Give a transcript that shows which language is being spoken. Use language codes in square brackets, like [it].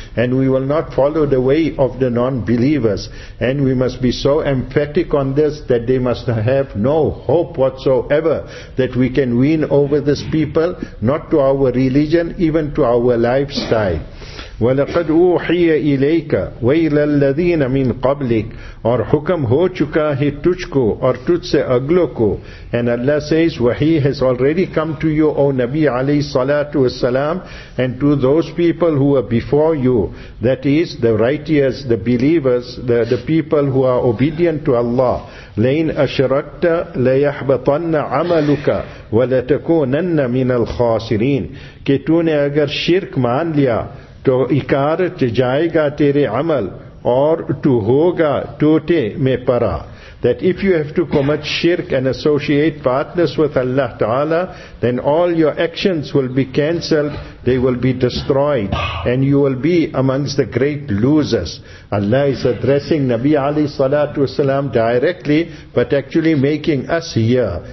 [en] And we will not follow the way of the non-believers. And we must be so emphatic on this that they must have no hope whatsoever that we can win over this people, not to our religion, even to our lifestyle. [ar] وَلَقَدْ أُوحِيَ إِلَيْكَ وَإِلَى الَّذِينَ مِنْ قَبْلِكَ. [ur] اور حکم ہو چکا ہے تجھ کو اور تجھ سے اگلوں کو. [en] And Allah says, وَحِي has already come to you, O Nabi alayhi salatu wasalam, and to those people who were before you, that is, the righteous, the believers, the people who are obedient to Allah. [ar] لَيْنْ أَشْرَكْتَ لَيَحْبَطَنَّ عَمَلُكَ وَلَتَكُونَنَّ مِنَ الْخَاسِرِينَ. [ur] کہ تُو نے اگر شرک مان لیا تو اکارت جائے گا تیرے عمل اور تو ہوگا ٹوٹے میں پرا. [en] That if you have to commit shirk and associate partners with Allah Ta'ala, then all your actions will be cancelled, they will be destroyed, and you will be amongst the great losers. Allah is addressing Nabi Ali Salatu Wasalam directly, but actually making us here.